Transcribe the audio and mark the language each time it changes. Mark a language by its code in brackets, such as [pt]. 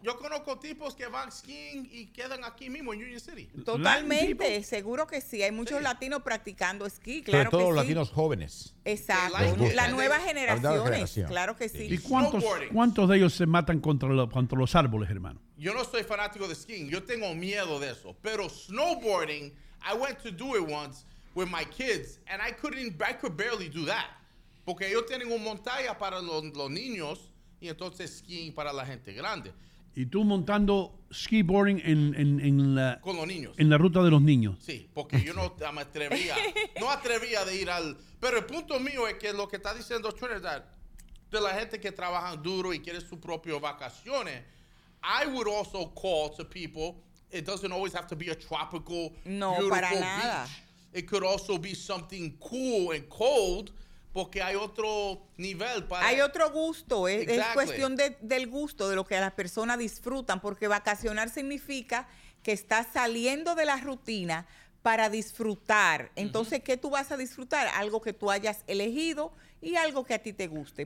[es] Yo conozco tipos que van skiing y quedan aquí mismo en Union City. Totalmente, seguro que sí. Hay muchos latinos practicando esquí, claro que sí. Sobre todo los latinos jóvenes. Exacto, la nueva generación. Claro que sí. ¿Y cuántos de ellos se matan contra los árboles, hermano? Yo no soy fanático de skiing, yo tengo miedo de eso. Pero [en] snowboarding, I went to do it once with my kids, and I could barely do that. [es] Porque ellos tienen un montaña para los niños y entonces skiing para la gente grande. ¿Y tú montando skiboarding en la... con los niños. En la ruta de los niños? Sí, porque yo no me atrevía. No atrevía de ir al... Pero el punto mío es que lo que está diciendo Trinidad, de la gente que trabaja duro y quiere sus propias vacaciones, [en] I would also call to people, it doesn't always have to be a tropical, [es] no, [en] beautiful [es] para [en] beach. [es] Nada. [en] It could also be something cool and cold. [es] Porque hay otro nivel para... Hay otro gusto. [en] Exactly. [es] Es cuestión del gusto, de lo que las personas disfrutan. Porque vacacionar significa que estás saliendo de la rutina para disfrutar. Entonces, uh-huh. ¿Qué tú vas a disfrutar? Algo que tú hayas elegido y algo que a ti te guste.